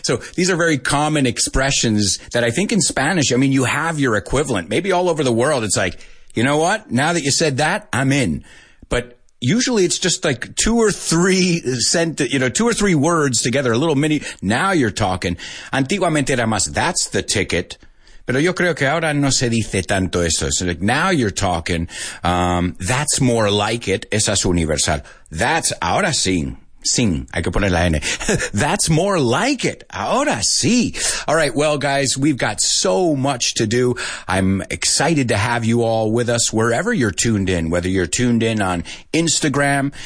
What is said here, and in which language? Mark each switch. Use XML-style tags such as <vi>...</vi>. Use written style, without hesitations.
<en>So these are very common expressions that I think in Spanish, I mean, you have your equivalent. Maybe all over the world, it's like, you know what? Now that you said that, I'm in. But usually it's just like two or three words together, a little mini. Now you're talking.</en> <es>Antiguamente era más,</es> <en>that's the ticket.</en> <es>Pero yo creo que ahora no se dice tanto eso.</es> <en>So like now you're talking, that's more like it.</en> <es>Esa es universal.</es> <en>That's,</en> <es>ahora sí. Sí. Hay que poner la N.</es> <en>That's more like it.</en> <es>Ahora sí.</es> <en>All right. Well, guys, we've got so much to do. I'm excited to have you all with us wherever you're tuned in, whether you're tuned in on Instagram.</en>